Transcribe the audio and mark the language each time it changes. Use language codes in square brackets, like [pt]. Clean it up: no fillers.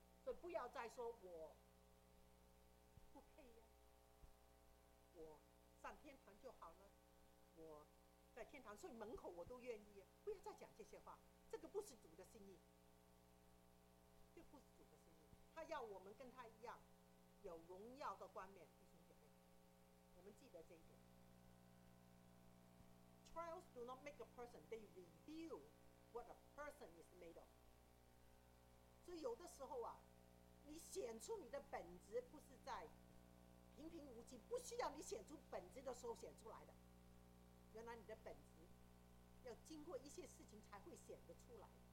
[zh] 所以不要再说我不配呀，我上天堂就好了，我在天堂睡门口我都愿意，不要再讲这些话，这个不是主的心意，这不是主的心意。他要我们跟他一样有荣耀的冠冕，弟兄姐妹，我们记得这一点。 [en] Trials do not make a person, they reveal what a person is made of。 [zh] 所以有的时候啊，你显出你的本质不是在平平无奇，不需要你显出本质的时候显出来的，原来你的本质要经过一些事情才会显得出来。